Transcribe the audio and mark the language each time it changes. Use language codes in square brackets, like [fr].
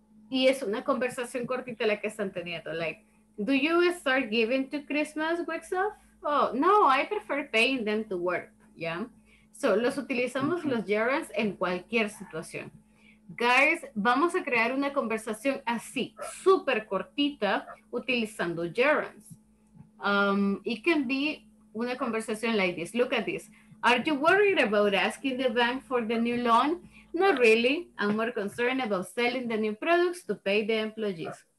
[es] Y es una conversación cortita la que están teniendo. [en] Like, do you start giving to Christmas weeks off? Oh, no, I prefer paying them to work. Yeah. [es] So, los utilizamos los gerunds en cualquier situación. Guys, vamos a crear una conversación así, súper cortita, utilizando gerunds. [en] It can be [es] una conversación [en] like this. Look at this. Are you worried about asking the bank for the new loan? Not really. I'm more concerned about selling the new products to pay the employees.